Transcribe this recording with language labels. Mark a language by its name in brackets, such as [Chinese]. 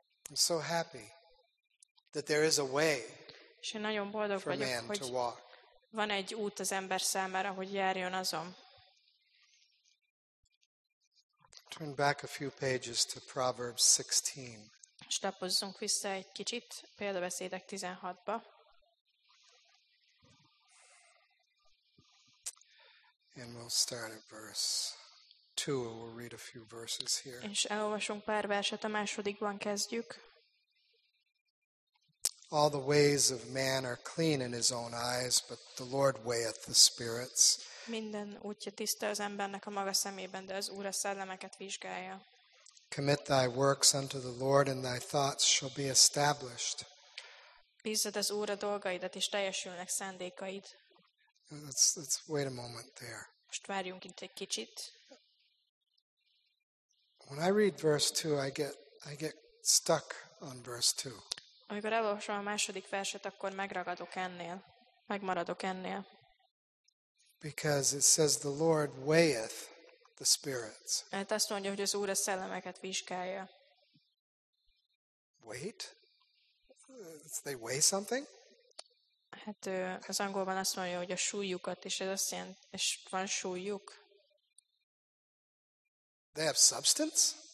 [English] I'm so happy that there is a way. [Hungarian] És én nagyon boldog vagyok, hogy van egy út az ember számára, hogy járjon azon. [English] Turn back a few pages to Proverbs 16. [Hungarian] És lapozzunk vissza egy kicsit Példabeszédek 16-ba. [English] And we'll start at verse 2. We'll read a few verses here. [Hungarian] És elolvasunk pár verset, a másodikban kezdjük. [English] All the ways of man are clean in his own eyes, but the Lord weigheth the spirits. [Hungarian] Minden útja tiszta az embernek a maga szemében, de az Úr a szellemeket vizsgálja. [English] Commit thy works unto the Lord and thy thoughts shall be established. [Hungarian] Bízod az Úrra dolgaidat és teljesülnek szándékaid. [English] Let's wait a moment there. [Hungarian] Most várjunk itt egy kicsit. [English] When I read verse 2, I get stuck on verse 2. [Hungarian] Amikor elolvasom a második verset, akkor megragadok ennél. Megmaradok ennél. [English] Because it says the Lord weigheth the spirits. [Hungarian] Hát azt mondja, hogy az Úr a szellemeket vizsgálja. [English] Wait? They weigh something? [Hungarian] Hát az angolban azt mondja, hogy a súlyukat, és ez azt jelenti, és van súlyuk. [English] They have substance?